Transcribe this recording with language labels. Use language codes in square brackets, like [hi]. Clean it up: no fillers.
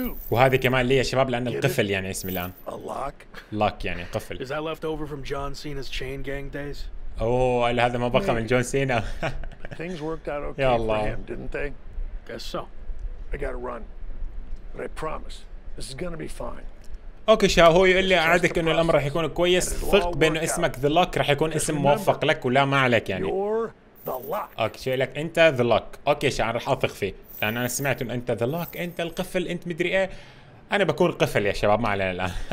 [ar] وهذه كمان لي يا شباب لأن القفل يعني اسمي الآن. [en] A lock. [ar] Lock يعني قفل. [en] Is that left over from John Cena's chain gang days? [ar] أوه هذا ما بقى من جون سينا. [en] Things worked out okay for him, didn't they? Guess so. I gotta run, but I promise this is gonna be fine. [ar] اوكي شباب، هو يقول لي اعدك انه الامر راح يكون كويس، ثق بانه اسمك ذا لوك راح يكون اسم موفق لك ولا ما عليك يعني. اوكي شو لك انت ذا لوك، اوكي شباب راح اثق فيه، لان انا سمعت انه انت ذا لوك، انت القفل، انت مدري ايه، انا بكون قفل يا شباب ما علينا الان.